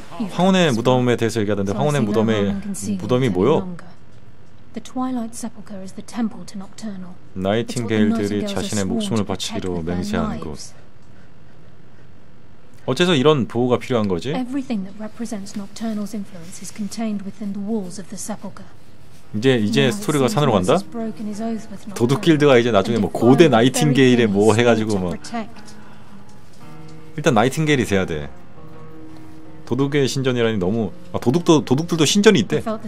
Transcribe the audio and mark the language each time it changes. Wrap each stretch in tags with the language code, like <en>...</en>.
<ko>황혼의 무덤에 대해서 얘기하던데 황혼의 무덤에 무덤이 뭐요?</ko> <en>The Twilight Sepulcher is the temple to Nocturnal.</en> <ko>나이팅게일들이 자신의 목숨을 바치기로 맹세한 곳. 어째서 이런 보호가 필요한 거지?</ko> <en>Everything that represents Nocturnal's influence is contained within the walls of the sepulcher.</en> <ko>이제 스토리가 산으로 간다? 도둑 길드가 이제 나중에 뭐 고대 나이팅게일에 뭐 해가지고 뭐 일단 나이팅게일이 돼야 돼. 도둑의 신전이라니 너무 아, 도둑들도 신전이 있대.</ko>